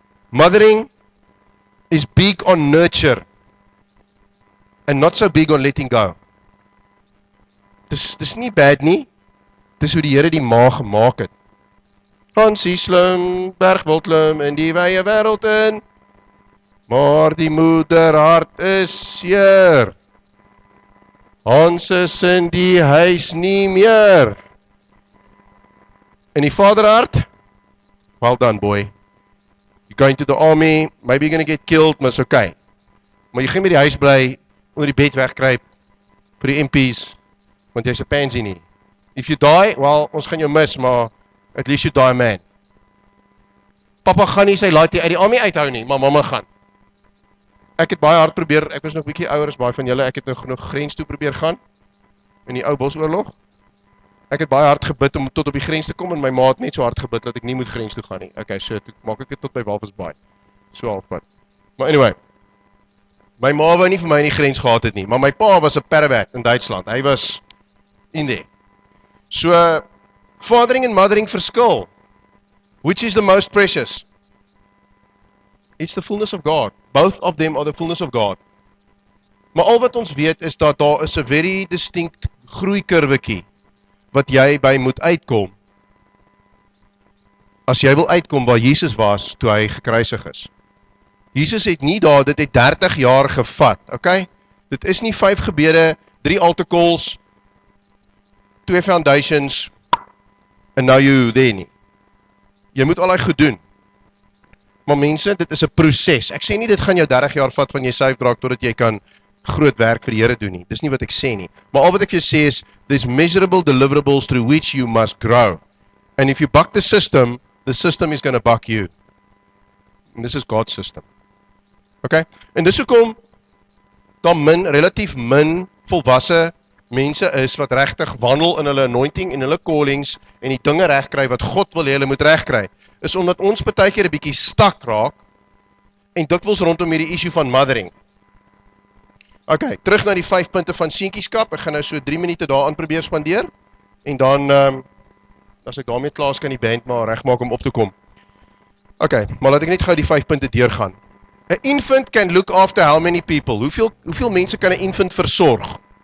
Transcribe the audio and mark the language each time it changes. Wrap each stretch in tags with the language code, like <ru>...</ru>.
<en>Mothering is big on nurture and not so big on letting go.</en> <af>Dis nie bad nie. Dis hoe die Here die ma gemaak het. Hansie slim, bergwil klim in die wye wêreld in. Maar die moederhart is seer. Hans is in die huis nie meer. En die vaderhart?</af> <en>Well done, boy. You going to the army, maybe you're going to get killed,</en> <af>maar is okay. Maar jy gaan met die huis bly, onder die bed wegkruip, vir die MPs, want jy is a pansy nie.</af> <en>If you die, well,</en> <af>ons gaan jou mis, maar</af> <en>at least you die man.</en> <af>Papa gaan nie sy laat jy uit die army uithou nie, maar mamma gaan. Ek het baie hard probeer, ek was nog 'n bietjie ouer as baie van julle, ek het nog genoeg grens toe probeer gaan in die ou Bosoorlog. Ek het baie hard gebid om tot op die grens te kom en my ma het net so hard gebid dat ek nie moet grens toe gaan nie. Okay, so toe maak ek dit tot by Walvisbaai. So halfpad. Maar anyway. My ma wou nie vir my in die grens gehad het nie, maar my pa was 'n pervert in Duitsland. Hy was in die.</af> <en>So fathering and mothering</en> <af>verskil.</af> <en>Which is the most precious? It's the fullness of God. Both of them are the fullness of God.</en> <af>Maar al wat ons weet is dat daar is 'n very distinct groeikurwetjie wat jy by moet uitkom, as jy wil uitkom waar Jesus was, toe hy gekruisig is. Jesus het nie daar, dit het 30 jaar gevat, ok? Dit is nie 5 gebede, 3 altar calls, 2 foundations,</af> <en>and now you there</en> <af>nie. Jy moet al hy goed doen. Maar mense, dit is 'n proses. Ek sê nie, dit gaan jou 30 jaar vat van jy syf draak, totdat jy kan groot werk vir die Here doen nie. Dis nie wat ek sê nie. Maar al wat ek vir jou sê is,</af> <en>there's measurable deliverables through which you must grow. And if you buck the system is going to buck you. And this is God's system.</en> <af>Okay? En dis hoekom daar min, relatief min, volwasse mense is wat regtig wandel in hulle anointing en hulle callings en die dinge regkry wat God wil hê hulle moet regkry. Is omdat ons partykeer 'n bietjie stak raak en dikwels rondom hierdie issue van mothering. Ok, terug na die 5 punte van seentjieskap. Ek gaan nou so 3 minute daaraan probeer spandeer. En dan, as ek daarmee klaar is, kan die band maar regmaak om op te kom. Ok, maar laat ek net gou die 5 punte deurgaan.</af> <en>A infant can look after how many people?</en> <af>Hoeveel mense kan 'n infant versorg?</af>